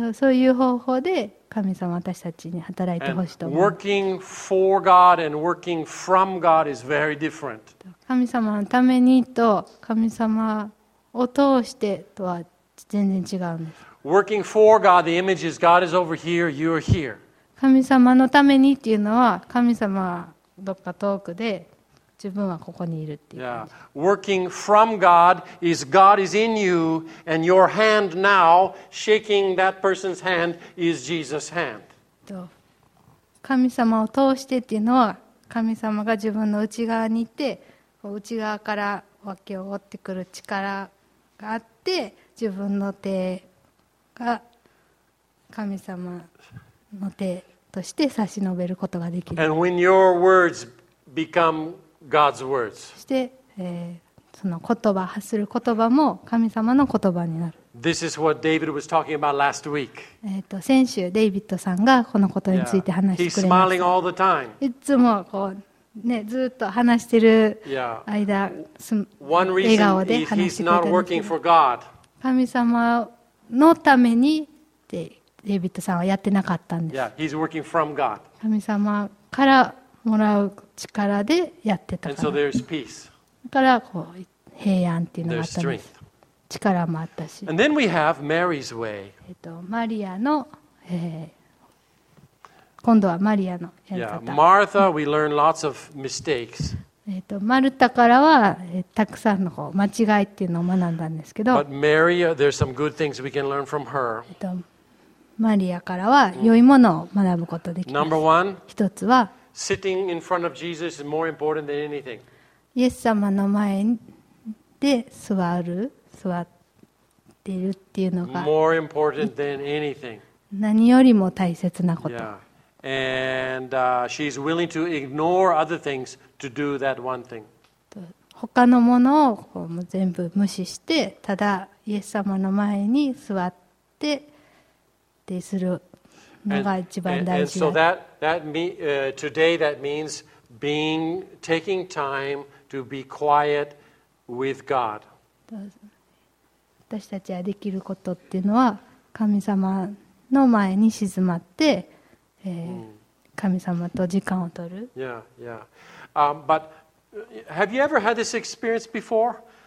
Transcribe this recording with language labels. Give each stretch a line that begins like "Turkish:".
Japanese: そういう方法で神様は私たちに働いてほしいと思う。
English: Working for God and working from God is very different.
Japanese: 神様のためにと神様を通してとは全然違うんです。
English: Working for God, the image is God is over here, you are here.
Japanese: 神様のためにっていうのは神様はどっか遠くで自分はここにいるっていう感じ。
English: Working from God is God is in you and your hand now shaking that person's hand is Jesus' hand.
Japanese: 神様を通してっていうのは神様が自分の内側にいて内側から湧き起こってくる力があって自分の手が神様の手として差し伸べることができる。
English: And when your words become God's words.
Japanese: そして、その言葉発する言葉も神様の言葉になる。
English: This is what David was talking about last week.
Japanese: 先週デイビッドさんがこのことについて話してくれました。
English: He's smiling all the time.
Japanese: いつもこうね、ずっと話してる間、笑顔で話してくれてる。
English: He's not working for God.
Japanese: 神様のためにってデイビッドさんはやってなかったんです。
English: Yeah, he's working from God.
Japanese: 神様からもらう力でやってたから。
English: And so、peace.
Japanese: だからこう平安っていうのがあったんです。力もあったし。
English: And then we have Mary's way.
Japanese: マリアの、今度はマリアのやり方。
English: Yeah, Martha, we learn lots of mistakes.
Japanese: マルタからは、たくさんのこう間違いっていうのを学んだんですけど。
English: But Mary, there's some good things we can learn from her.
Japanese: マリアからは良いものを学ぶことができます。
English: Number one.
Japanese: 一つは。
English: Sitting in front of Jesus is more important than anything.
Japanese: イエス様の前で座っているっていうのが
English: more important than anything.
Japanese: 何よりも大切なこと。
English: Yeah. And she's willing to ignore other things to do that one thing.
Japanese: 他のものをこう全部無視して、ただイエス様の前に座ってでする。
English: And so today that means taking time to be quiet with God.
Japanese: 私たちができることっていうのは神様の前に静まって、神様と時間を取る。
English: Yeah, yeah. But have you ever had this experience before?